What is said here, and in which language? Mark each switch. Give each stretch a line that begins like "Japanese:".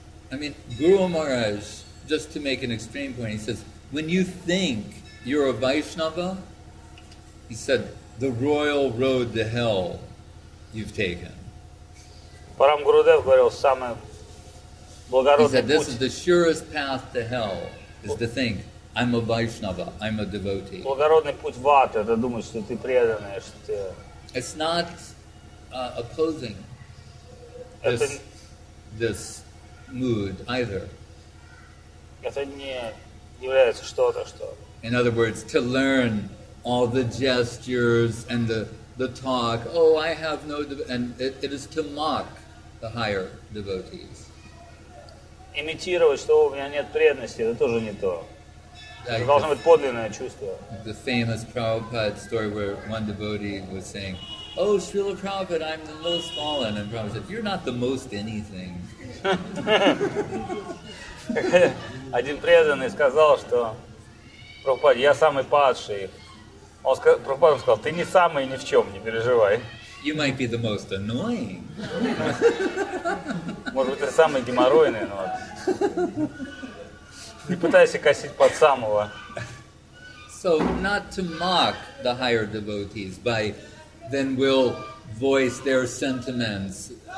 English: I mean, Guru Maharaj, just to make an extreme point, he says, when you think you're a Vaishnava, he said, the royal road to hell you've taken.
Russian: Парам Гурудев говорил, самое благородный.
English: He said, this is the surest path to hell, is to think, I'm a Vaishnava, I'm a devotee.
Russian: Благородный путь в ад, это думать, что ты преданный, что ты...
English: It's not opposing this mood either.
Russian: Это не является что-то, что...
English: In other words, to learn all the gestures and the talk, oh, I have no... And it is to mock the higher devotees.
Russian: Имитировать, что у меня нет преданности, это тоже не то. Like это должно быть подлинное чувство.
English: The famous Prabhupada story where one devotee was saying, oh, Srila Prabhupada, I'm the most fallen. And Prabhupada said, you're not the most anything.
Russian: Один преданный сказал, что Прабхупада, я самый падший. Он сказал, Прабхупада сказал, ты не самый ни в чем, не переживай.
English: You might be the most annoying.
Russian: Может быть, ты самый геморройный, но не пытайся косить под самого.
English: So not to mock the higher devotees by then will voice their sentiments.